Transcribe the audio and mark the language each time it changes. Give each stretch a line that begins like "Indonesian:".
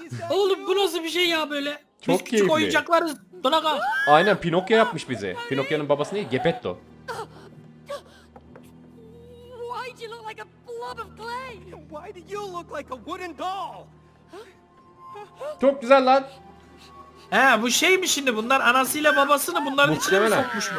Turkish: Oğlum bu nasıl bir şey ya böyle? Çok biz keyifli. Küçük oyuncaklarız Donaga. Aynen, Pinokyo yapmış bize. Pinokyo'nun babası ne? Geppetto.
English: Why do you look like a blob of clay? Why do you look like a wooden doll?
Turkish: Çok güzel lan. He, bu şey mi şimdi? Bunlar anasıyla babasını bunların muhtemelen içine mi sokmuş mu?